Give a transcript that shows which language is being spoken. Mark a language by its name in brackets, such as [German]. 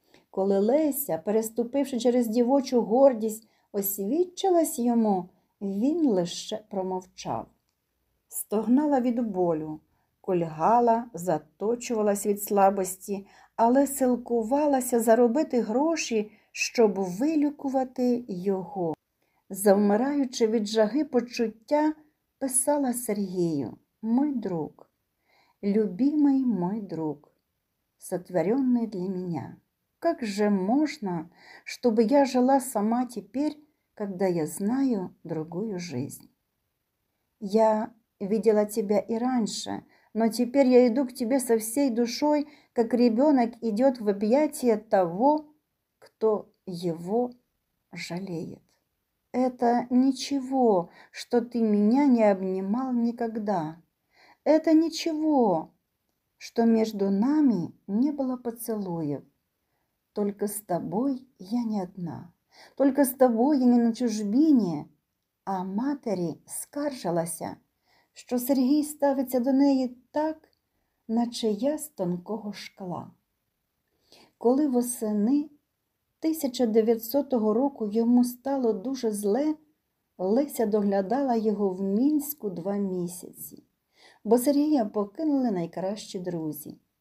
[Ukrainian] Коли Леся, переступивши через дівочу гордість, освідчилась йому, він лише промовчав. Стогнала від болю, кульгала, заточувалась від слабості, але силкувалася заробити гроші, щоб вилікувати його. Завмираючи від жаги почуття, писала Сергію: [Russian] «Мой друг, любимий мой друг, сотворенный для меня, как же можно, чтобы я жила сама теперь, когда я знаю другую жизнь? Я видела тебя и раньше, но теперь я иду к тебе со всей душой, как ребенок идет в объятия того, кто его жалеет. Это ничего, что ты меня не обнимал никогда. Это ничего, что между нами не было поцелуев. Только с тобой я не одна. Только с тобой я не на чужбине». [Ukrainian] А матері скаржилася, що Сергій ставиться до неї так, наче я з тонкого шкла. Коли восени 1900 року йому стало дуже зле, Леся доглядала його в Мінську 2 місяці, бо Сергія покинули найкращі друзі.